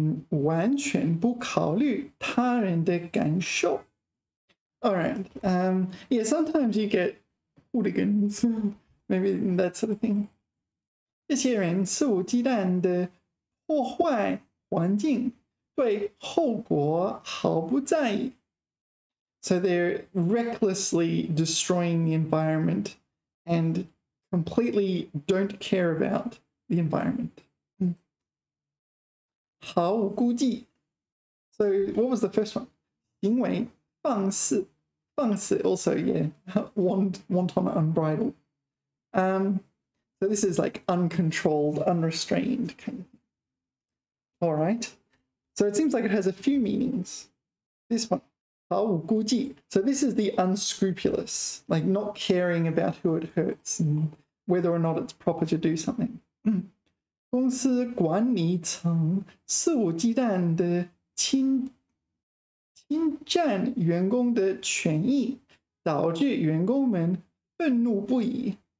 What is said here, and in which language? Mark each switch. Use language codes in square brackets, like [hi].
[zh] 完全不考虑他人的感受. [en] Alright, yeah, sometimes you get hooligans, maybe that sort of thing. [zh] 这些人肆无忌惮地破坏环境, 对后果毫不在意. [en] So they're recklessly destroying the environment and completely don't care about the environment. [zh] 毫无顾忌. [en] So what was the first one? [zh] 行为放肆. [en] Also, yeah, wanton, unbridled. So this is like uncontrolled, unrestrained kind of thing. All right. So it seems like it has a few meanings. This one, 毫无顾忌. So this is the unscrupulous, like not caring about who it hurts and whether or not it's proper to do something. [zh] 公司管理层肆无忌惮的侵 侵占员工的权益导致员工们愤怒不已.